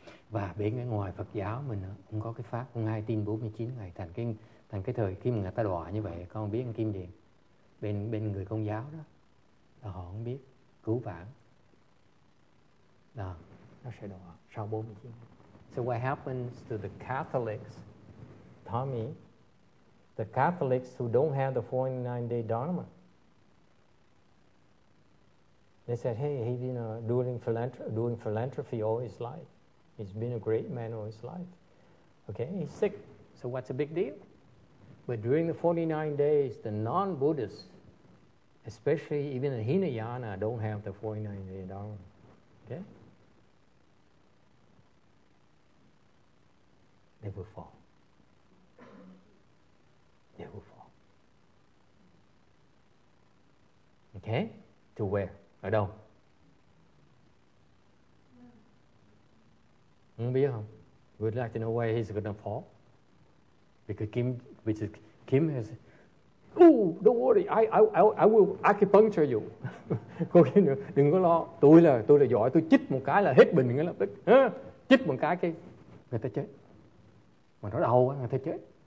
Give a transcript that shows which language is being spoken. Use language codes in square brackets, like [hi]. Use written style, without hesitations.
[vi] Và bên ngoài Phật giáo mình cũng có cái pháp không ai tin 49 ngày thành cái thời khi người ta đọa như vậy. Con biết anh Kim Điền bên người Công giáo đó là họ không biết cứu vãn nó sẽ đọa sau 49. [en] So what happens to the Catholics, Tommy, the Catholics who don't have the 49 day dharma? They said, hey, he's been doing philanthropy all his life. He's been a great man all his life. Okay, he's sick. So what's the big deal? But during the 49 days, the non-Buddhists, especially even the Hinayana, don't have the 49-day dharma. Okay? They will fall. They will fall. Okay? To where? [vi] Ở đâu? Không biết không? [en] We'd like to know where he's going to fall. Because Kim has said, ooh, don't worry, I will acupuncture you. [vi] Cô kia nữa, đừng có lo. Tôi là giỏi, tôi chích một cái là hết bệnh ngay lập tức. Chích một cái kia, người ta chết. Mà nó đau quá, người ta chết.